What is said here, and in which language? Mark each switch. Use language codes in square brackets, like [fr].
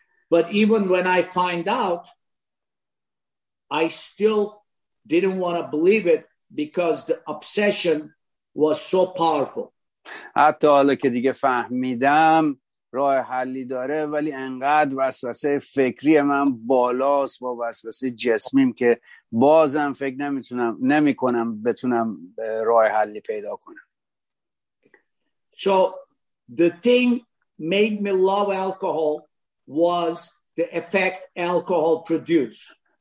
[en] But even when I find out, I still didn't want to believe it because the obsession was so powerful. [fa] حتی حالا که دیگه فهمیدم راه حلی داره ولی انقدر وسوسه فکری من بالاست با وسوسه جسمیم که بازم فکر نمیتونم نمی کنم بتونم راه حلی پیدا کنم. [en] So the thing made me love alcohol was the effect alcohol produced.